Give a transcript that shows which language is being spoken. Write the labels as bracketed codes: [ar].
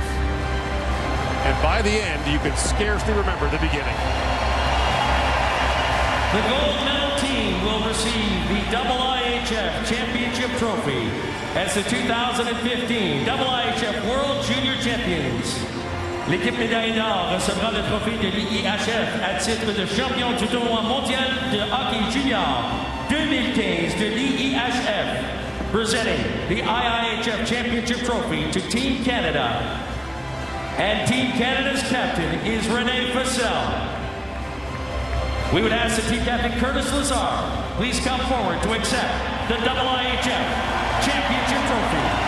[en] And by the end, you can scarcely remember the beginning. The gold medal team will receive the IIHF Championship Trophy as the 2015 IIHF World Junior Champions. [fr] L'équipe médaille d'or recevra le trophée de l'IIHF à titre de champion du tournoi mondial de hockey junior 2015 de l'IIHF. [en] Presenting the IIHF Championship Trophy to Team Canada. And Team Canada's captain is Rene Fasel. We would ask the team captain, Curtis Lazar, please come forward to accept the IIHF Championship Trophy.